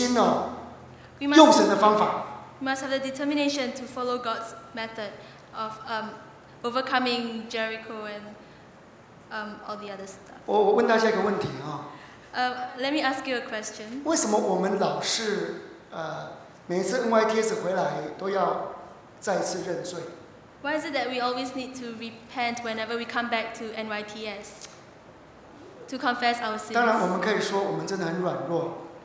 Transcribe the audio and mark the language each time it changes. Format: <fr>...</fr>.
<zh>你要攻占耶利哥，你要攻占你的情欲，你要攻占应许之地，你一定要决心哦，用神的方法。</zh> <en>We must have the determination to follow God's method of overcoming Jericho and all the other stuff.</en> <zh>我问大家一个问题啊。</zh> <en>Let me ask you a question.</en> <zh>为什么我们老是每次 NYTS 回来都要再次认罪？</zh> <en>Why is it that we always need to repent whenever we come back to NYTS to confess our sins?</en> <zh>当然我们可以说我们真的很软弱。</zh>